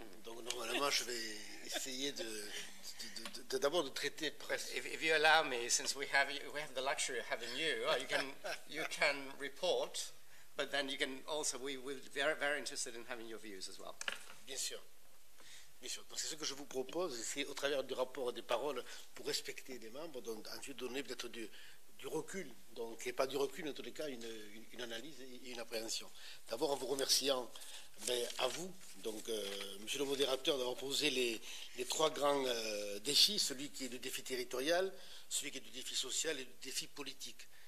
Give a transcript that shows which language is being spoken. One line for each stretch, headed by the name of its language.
French: Donc normalement, je vais essayer de d'abord de traiter.
English: If you allow me, since we have the luxury of having you, you can report, but then you can also we're very very interested in having your views as well.
French: Bien sûr. Donc c'est ce que je vous propose, c'est au travers du rapport et des paroles pour respecter les membres, donc ensuite donner peut-être du recul, donc et pas du recul, en tous les cas une analyse et une appréhension. D'abord en vous remerciant à vous, donc Monsieur le modérateur, d'avoir posé les trois grands défis, celui qui est le défi territorial, celui qui est le défi social et le défi politique.